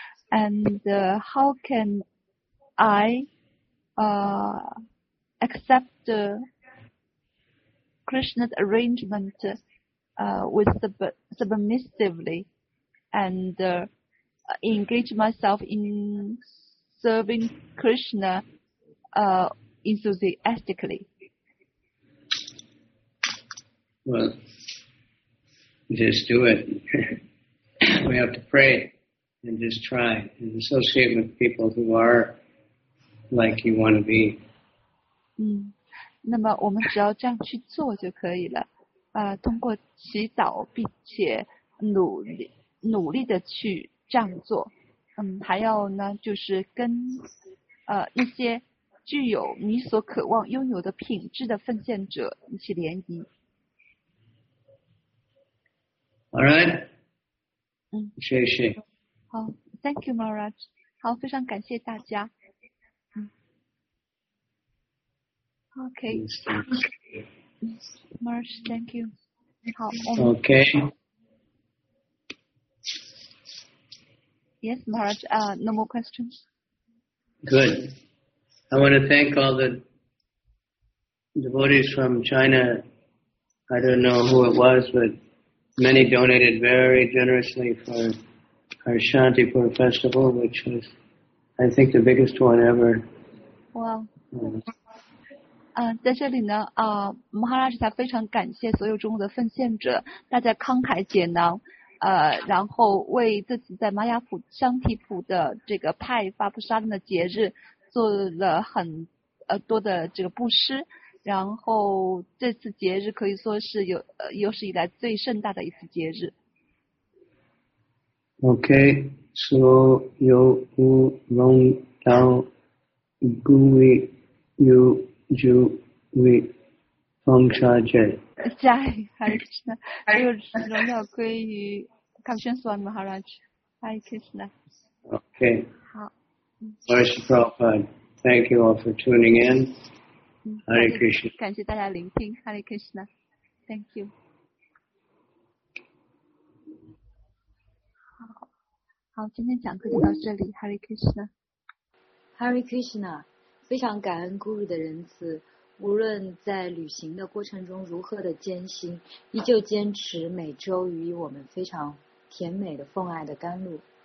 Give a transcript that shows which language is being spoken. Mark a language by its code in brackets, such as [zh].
[en] And how can I accept Krishna's arrangement with submissively and engage myself in serving Krishna enthusiastically? Well, just do it. We have to pray. And just try and associate with people who are like you want to be. [zh] 那么我们只要这样去做就可以了。通过祈祷并且努力的去这样做。还要呢，就是跟一些具有你所渴望拥有的品质的奉献者一起联谊。 [en] All right. [zh] 谢谢。好 ， [en] Thank you, Maharaj. [zh] 好，非常感谢大家。 [en] Okay, Maharaj, thank you. [zh] 好 [en] ，Okay. Yes, Maharaj. No more questions. Good. I want to thank all the devotees from China. I don't know who it was, but many donated very generously for. Our Shantipur festival, which was, I think, the biggest one ever. Wow. [zh] 在这里呢，Maharaj 他非常感谢所有中国的奉献者，大家慷慨解囊，然后为自己在玛雅普香提普的这个派发布沙灯的节日做了很多的这个布施，然后这次节日可以说是有史以来最盛大的一次节日。 Okay, so you who long down gooey you ju we from charge. 加里哈里克什纳，还有荣耀归于卡普宣斯瓦米哈拉吉，哈里克什纳。 [en] Okay. [zh] 好。 [en] Marsha Prabhupada, thank you all for tuning in. Hare Krishna. [zh] 感谢大家聆听，哈里克什纳。 [en] Thank you. [zh] 好，今天讲课就到这里，哈里克什纳。 Hare Krishna, 非常感恩 Guru 的仁慈。无论在旅行的过程中如何的艰辛，依旧坚持每周予以我们非常甜美的奉爱的甘露。